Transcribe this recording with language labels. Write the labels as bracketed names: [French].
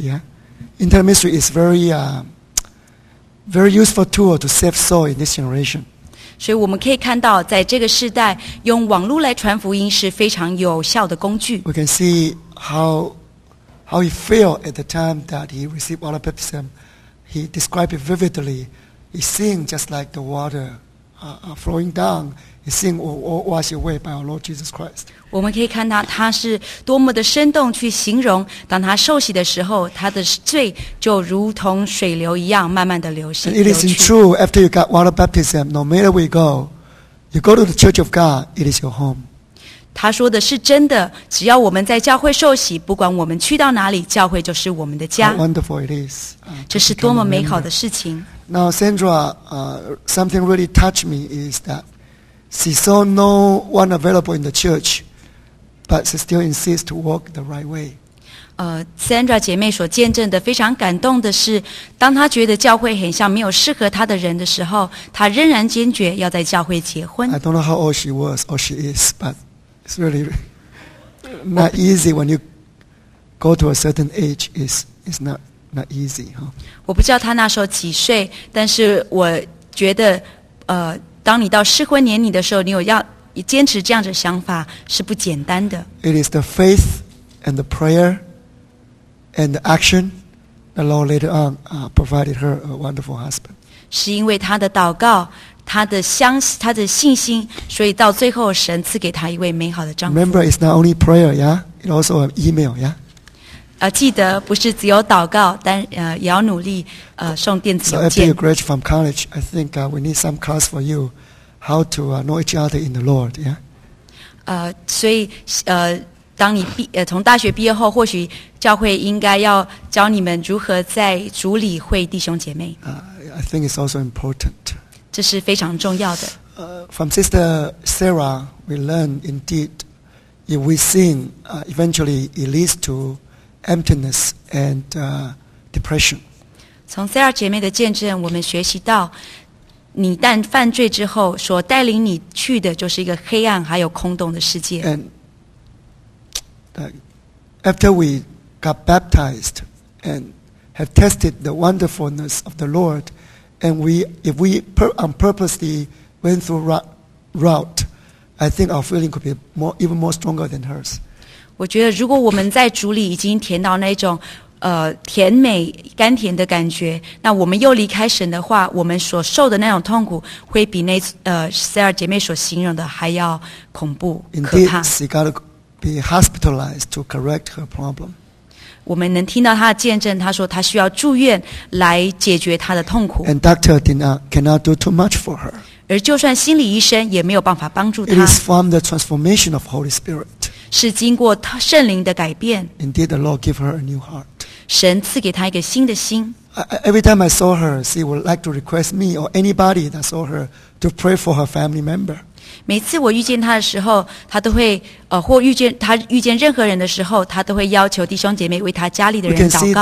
[English] Yeah, internet ministry is very useful tool to save soul in this generation. [Chinese] 所以我们可以看到，在这个时代，用网络来传福音是非常有效的工具。 [English] We can see how he felt at the time that he received water baptism. He described it vividly. He seemed just like the water flowing down. He seemed washed away by our Lord Jesus Christ. [Chinese] 我们可以看到他是多么的生动去形容，当他受洗的时候，他的罪就如同水流一样慢慢的流去。 [English] And it is true, after you got water baptism, no matter where you go, you go to the church of God, it is your home. [Chinese] 他说的是真的，只要我们在教会受洗，不管我们去到哪里，教会就是我们的家。 [English] How wonderful it is. [Chinese] 这是多么美好的事情。 [English] Now, Sandra, something really touched me is that she saw no one available in the church, but she still insists to walk the right way. [Chinese] Sandra 姐妹所见证的非常感动的是，当她觉得教会很像没有适合她的人的时候，她仍然坚决要在教会结婚。 [English] I don't know how old she was or she is, but it's really not easy when you go to a certain age. It's not easy, huh? [Chinese] 我不知道她那时候几岁，但是我觉得当你到适婚年龄的时候，你有要坚持这样的想法是不简单的。 [English] It is the faith and the prayer and the action the Lord later on provided her a wonderful husband. [Chinese] 是因为她的祷告，她的信心，所以到最后神赐给她一位美好的丈夫。 [English] Remember, it's not only prayer, yeah? It's also an email, yeah? [Chinese] 记得不是只有祷告，但也要努力送电子邮件。 [English] So after you graduate from college, I think we need some class for you. How to know each other in the Lord, yeah? [Chinese] 所以当你从大学毕业后，或许教会应该要教你们如何在主里会弟兄姐妹。 [English] I think it's also important. [Chinese] 这是非常重要的。 [English] From Sister Sarah, we learn indeed, if we sin, eventually it leads to emptiness and depression. [Chinese] 从 Sarah 姐妹的见证，我们学习到你但犯罪之后，所带领你去的就是一个黑暗还有空洞的世界。 [English] And after we got baptized and have tested the wonderfulness of the Lord, and if we purposely went through route, I think our feeling could be even more stronger than hers. [Chinese] 我觉得如果我们在主里已经甜到那种甜美甘甜的感觉，那我们又离开神的话，我们所受的那种痛苦会比那塞尔姐妹所形容的还要恐怖 [English] Indeed, [Chinese] 可怕。 [English] She got to be hospitalized to correct her problem. [Chinese] 我们能听到他的见证，他说他需要住院来解决他的痛苦。 [English] And doctor did not, cannot do too much for her. [Chinese] 而就算心理医生也没有办法帮助他。 [English] It is from the transformation of Holy Spirit. [Chinese] 是经过他圣灵的改变。 [English] Indeed, the Lord gave her a new heart. [Chinese] 神赐给他一个新的心。 [English] Every time I saw her, she would like to request me or anybody that saw her to pray for her family member. [Chinese] 每次我遇见她的时候，她都会或遇见她遇见任何人的时候，她都会要求弟兄姐妹为她家里的人祷告。